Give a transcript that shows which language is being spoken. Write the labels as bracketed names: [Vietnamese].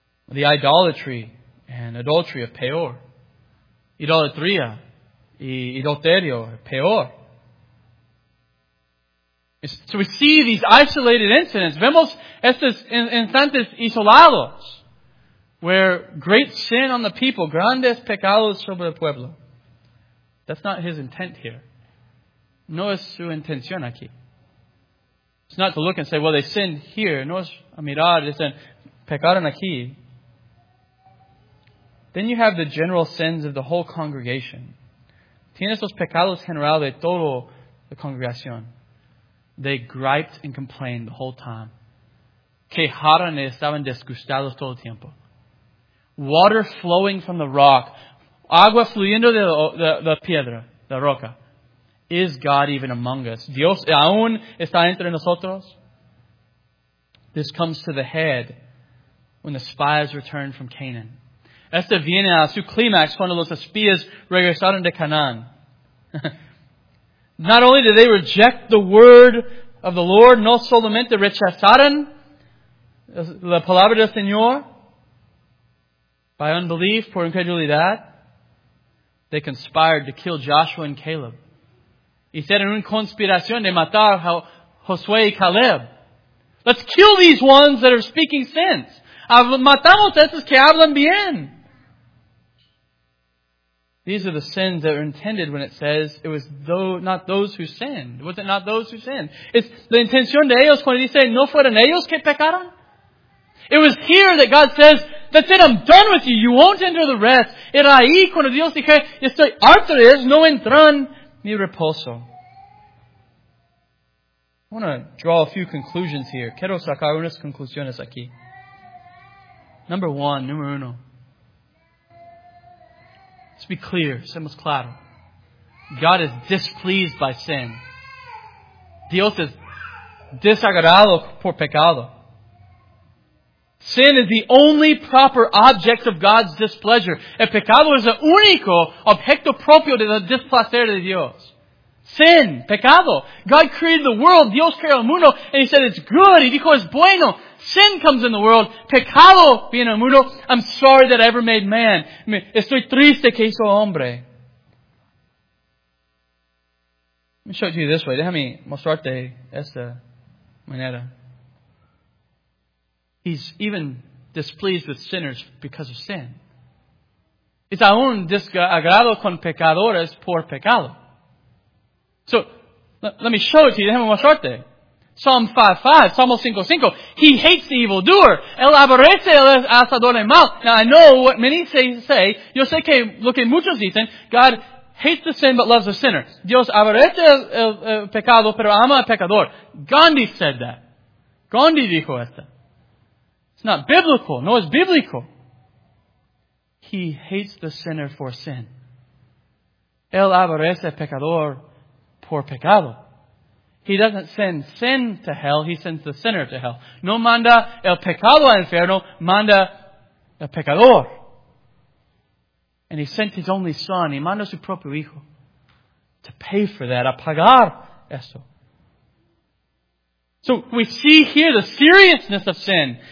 [English] The idolatry and adultery of peor. [Spanish] Idolatría y adulterio, peor. [English] So we see these isolated incidents. [Spanish] Vemos estos instantes isolados. [English] Where great sin on the people, [Spanish] grandes pecados sobre el pueblo. [English] That's not his intent here. [Spanish] No es su intención aquí. [English] It's not to look and say, well, they sinned here. [Spanish] No es a mirar, dicen, pecaron aquí. [English] Then you have the general sins of the whole congregation. [Spanish] Tienes los pecados generales de toda la congregación. [English] They griped and complained the whole time. [Spanish] Quejaron y estaban disgustados todo el tiempo. [English] Water flowing from the rock. [Spanish] Agua fluyendo de la piedra, la roca. [English] Is God even among us? [Spanish] Dios aún está entre nosotros? [English] This comes to the head when the spies return from Canaan. [Spanish] Esto viene a su clímax cuando los espías regresaron de Canaan. [English] Not only did they reject the word of the Lord, [Spanish] no solamente rechazaron la palabra del Señor [English] by unbelief, [Spanish] por incredulidad, [English] they conspired to kill Joshua and Caleb. [Spanish] Hicieron una conspiración de matar a Josué y Caleb. [English] Let's kill these ones that are speaking sense. [Spanish] Matamos esos que hablan bien. [English] These are the sins that are intended when it says it was not those who sinned. Was it not those who sinned? [Spanish] It's la intención de ellos cuando dice no fueron ellos que pecaron. [English] It was here that God says, that's it, I'm done with you, you won't enter the rest. [Spanish] Era ahí cuando Dios dije, estoy harto de ellos, no entran ni reposo. [English] I want to draw a few conclusions here. [Spanish] Quiero sacar unas conclusiones aquí. Número uno. [English] Let's be clear, [Spanish] seamos claros. [English] God is displeased by sin. [Spanish] Dios es desagradado por pecado. [English] Sin is the only proper object of God's displeasure. [Spanish] El pecado es el único objeto propio del displacer de Dios. [English] Sin, pecado. God created the world, [Spanish] Dios creó el mundo, [English] and he said it's good, [Spanish] y dijo es bueno. [English] Sin comes in the world. [Spanish] Pecado viene al mundo. [English] I'm sorry that I ever made man. [Spanish] Estoy triste que hizo hombre. [English] Let me show it to you this way. [Spanish] Déjame mostrarte esta manera. [English] He's even displeased with sinners because of sin. [Spanish] Es aún desagrado con pecadores por pecado. [English] So, let me show it to you. [Spanish] Déjame mostrarte. [English] Psalm 5:5, Psalm 5:5. He hates the evildoer. [Spanish] Él aborrece el hacedor de mal. [English] Now I know what many say. [Spanish] Yo sé que lo que muchos dicen. God [English] hates the sin but loves the sinner. [Spanish] Dios aborrece el pecado pero ama al pecador. [English] Gandhi said that. [Spanish] Gandhi dijo esto. [English] It's not biblical. No, it's biblical. He hates the sinner for sin. [Spanish] Él aborrece al pecador por pecado. [English] He doesn't send sin to hell. He sends the sinner to hell. [Spanish] No manda el pecado al infierno. Manda el pecador. [English] And he sent his only son. He [Spanish] mandó su propio hijo. [English] To pay for that. [Spanish] A pagar eso. [English] So we see here the seriousness of sin.